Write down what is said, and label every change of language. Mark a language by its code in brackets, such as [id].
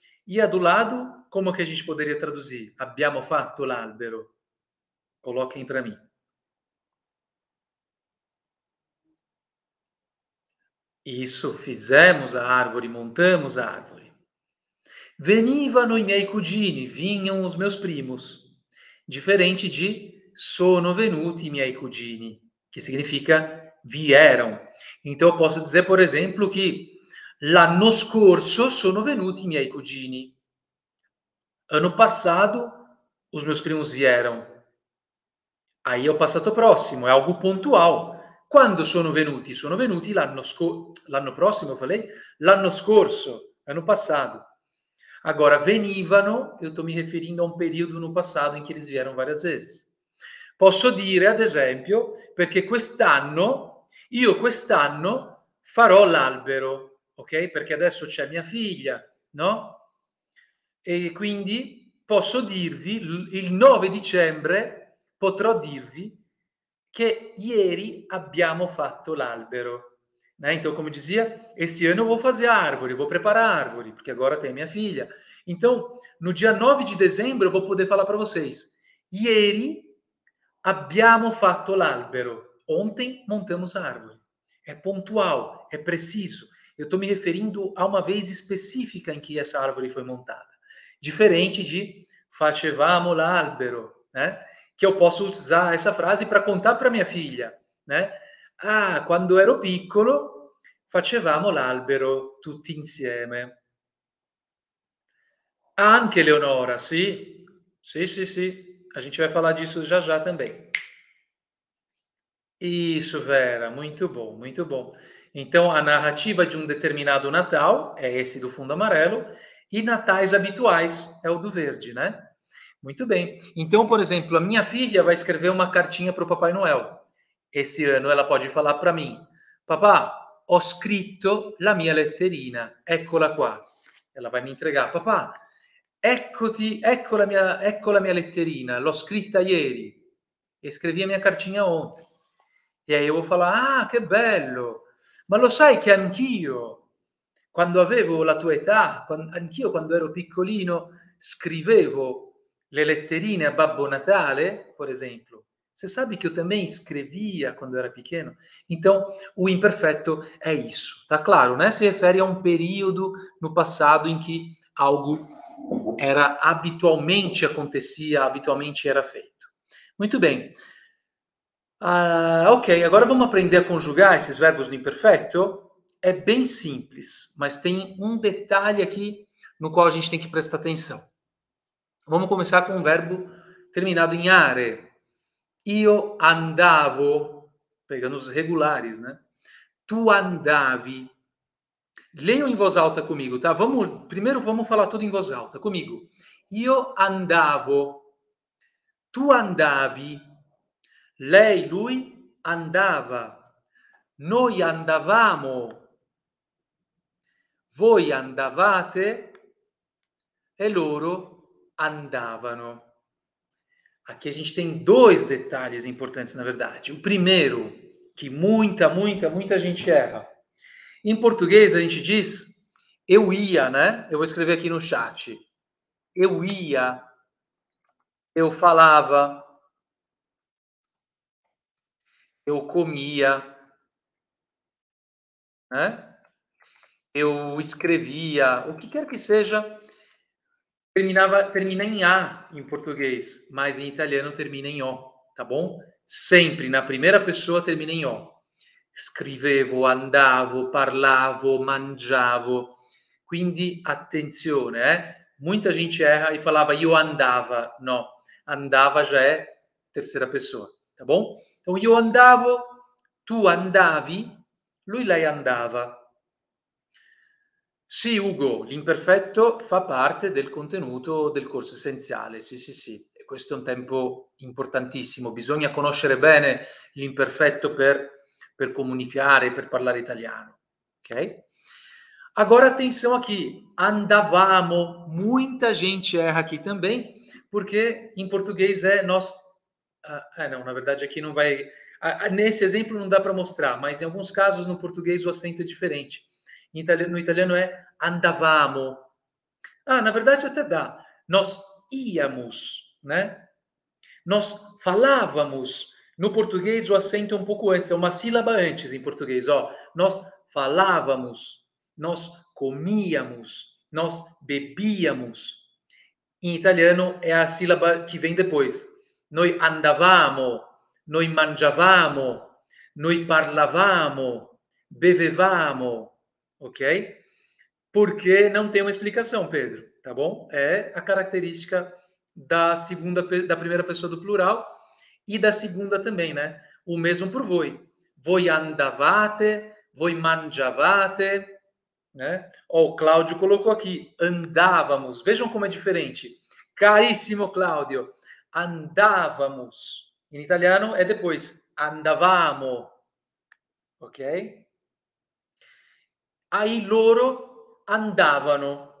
[pt] E a do lado, como que a gente poderia traduzir? [it] Abbiamo fatto l'albero. [pt] Coloquem para mim. Isso, fizemos a árvore, montamos a árvore. [it] Venivano i miei cugini, [pt] vinham os meus primos. Diferente de [it] sono venuti i miei cugini, che significa [pt] vieram. Então eu posso dizer, por exemplo, que [it] l'anno scorso sono venuti i miei cugini. [pt] Ano passado os meus primos vieram. Aí é o passato prossimo, é algo pontual. [it] Quando sono venuti? Sono venuti l'anno prossimo, [pt] falei? [it] L'anno scorso, [pt] ano passato. Agora, venivano, eu estou me referindo a um período no passato em que eles vieram várias vezes. [it] Posso dire, ad esempio, perché quest'anno, io quest'anno farò l'albero, ok? Perché adesso c'è mia figlia, no? E quindi posso dirvi, il 9 dicembre potrò dirvi che ieri abbiamo fatto l'albero. [pt] Então, come dizia, esse ano eu vou fazer árvore, vou preparar árvore, porque agora tem a minha filha. Então, no dia 9 de dezembro, eu vou poder falar para vocês: [it] ieri abbiamo fatto l'albero. [pt] Ontem montamos a árvore. É pontual, é preciso. Eu estou me referindo a uma vez específica em que essa árvore foi montada. Diferente de [it] facevamo l'albero, [pt] né? Que eu posso usar essa frase para contar para minha filha, né? [it] Ah, quando ero piccolo, facevamo l'albero tutti insieme. Anche Leonora, sì? Sì. [pt] A gente vai falar disso já já também. Isso, Vera, muito bom, muito bom. Então, a narrativa de um determinado Natal é esse do fundo amarelo, e natais habituais é o do verde, né? Muito bem. Então, por exemplo, a minha filha vai escrever uma cartinha para o Papai Noel. Esse ano ela pode falar para mim: [it] Papá, ho scritto la mia letterina, eccola qua. [pt] Ela vai me entregar: [it] Papá, ecco la mia letterina, l'ho scritta ieri [pt] e scrivi a mia cartina ontem. E aí eu vou falar: [it] Ah, che bello! Ma lo sai che anch'io, quando avevo la tua età, anch'io quando ero piccolino, scrivevo le letterine a Babbo Natale, per esempio. [pt] Você sabe [it] che io [pt] também scrivia quando era pequeno? Então, o imperfetto è isso, tá claro, né? [it] Si riferisce a un periodo no passato in cui algo era abitualmente [pt] acontecia, abitualmente era feito. Muito bem. Ok, agora vamos aprender a conjugar esses verbos no imperfetto? É bem simples, mas tem um detalhe aqui no qual a gente tem que prestar atenção. Vamos começar com um verbo terminado em are. [it] Io andavo, [pt] pegando os regulares, né? [it] Tu andavi. [pt] Leiam em voz alta comigo, tá? Primeiro vamos falar tudo em voz alta comigo. [it] Io andavo. Tu andavi. Lei, lui andava. Noi andavamo. Voi andavate e loro andavano. [pt] Aqui a gente tem dois detalhes importantes, na verdade. O primeiro, que muita gente erra. Em português a gente diz eu ia, né? Eu vou escrever aqui no chat. Eu ia, eu falava, eu comia, né? Eu escrevia, o que quer que seja. Termina em A em português, mas em italiano termina em O, tá bom? Sempre na primeira pessoa termina em O. [it] Scrivevo, andavo, parlavo, mangiavo. Quindi attenzione, eh? [pt] Muita gente erra e falava [it] io andava. [pt] No, andava já é terceira pessoa, tá bom? Então [it] io andavo, tu andavi, lui, lei andava. Sì, Ugo, l'imperfetto fa parte del contenuto del corso essenziale. Sì. questo è un tempo importantissimo. Bisogna conoscere bene l'imperfetto per comunicare, per parlare italiano. [pt] Ok? Agora atenção aqui. [it] Andavamo. [pt] Muita gente erra aqui também, porque em português é nós. Não, na verdade aqui não vai. Nesse exemplo não dá para mostrar, mas em alguns casos no português o acento é diferente. No italiano é [it] andavamo. [pt] Ah, na verdade até dá. Nós íamos, né? Nós falávamos. No português o acento é um pouco antes, é uma sílaba antes em português. Ó, nós falávamos, nós comíamos, nós bebíamos. Em italiano é a sílaba que vem depois. [it] Noi andavamo, noi mangiavamo, noi parlavamo, bevevamo, ok? [pt] Porque não tem uma explicação, Pedro, tá bom? É a característica da segunda, da primeira pessoa do plural e da segunda também, né? O mesmo por [it] voi. Voi andavate, voi mangiavate, né? [pt] Ó, o Cláudio colocou aqui, andávamos. Vejam como é diferente. Caríssimo Cláudio. Andávamos. Em italiano é depois. [it] Andavamo. [pt] Ok? Aí [it] loro andavano.